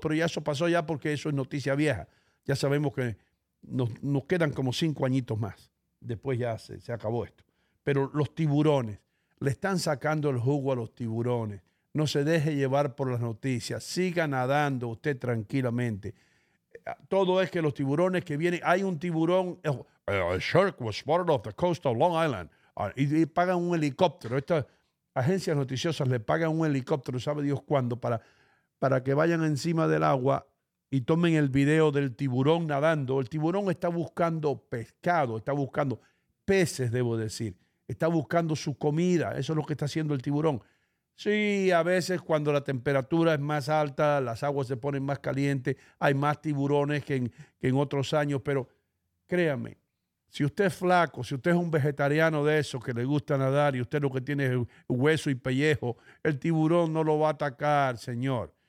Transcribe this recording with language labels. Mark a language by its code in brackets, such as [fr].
[es] Pero ya eso pasó ya porque eso es noticia vieja. Ya sabemos que nos quedan como 5 añitos más. Después ya se acabó esto. Pero los tiburones, le están sacando el jugo a los tiburones. No se deje llevar por las noticias. Siga nadando usted tranquilamente. Todo es que los tiburones que vienen, hay un tiburón. [en] A shark was spotted off the coast of Long Island. [es] Y pagan un helicóptero. Estas agencias noticiosas le pagan un helicóptero, sabe Dios cuándo, para que vayan encima del agua y tomen el video del tiburón nadando. El tiburón está buscando pescado, está buscando peces, debo decir. Está buscando su comida. Eso es lo que está haciendo el tiburón. Sí, a veces cuando la temperatura es más alta, las aguas se ponen más calientes, hay más tiburones que en otros años, pero créame, si usted es flaco, si usted es un vegetariano de eso que le gusta nadar y usted lo que tiene es hueso y pellejo, el tiburón no lo va a atacar, señor.